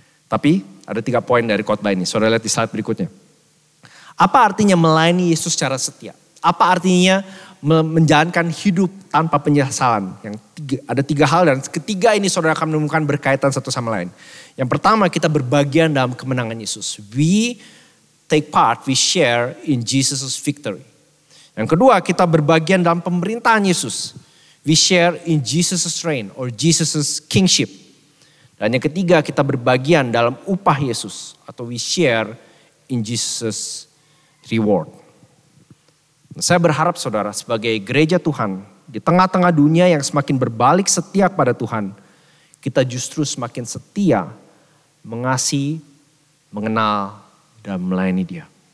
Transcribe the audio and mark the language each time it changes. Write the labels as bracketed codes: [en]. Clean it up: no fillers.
[id] Tapi ada 3 poin dari khotbah ini. Saudara lihat di slide berikutnya. Apa artinya melayani Yesus secara setia? Apa artinya menjalankan hidup tanpa penyesalan? Ada tiga hal dan ketiga ini saudara akan menemukan berkaitan satu sama lain. Yang pertama, kita berbagian dalam kemenangan Yesus. [en] We take part, we share in Jesus' victory. [id] Yang kedua, kita berbagian dalam pemerintahan Yesus. [en] We share in Jesus' reign or Jesus' kingship. [id] Dan yang ketiga, kita berbagian dalam upah Yesus atau [en] we share in Jesus' reward. [id] Saya berharap saudara sebagai gereja Tuhan, di tengah-tengah dunia yang semakin berbalik setia kepada Tuhan, kita justru semakin setia, mengasihi, mengenal, dan melayani dia.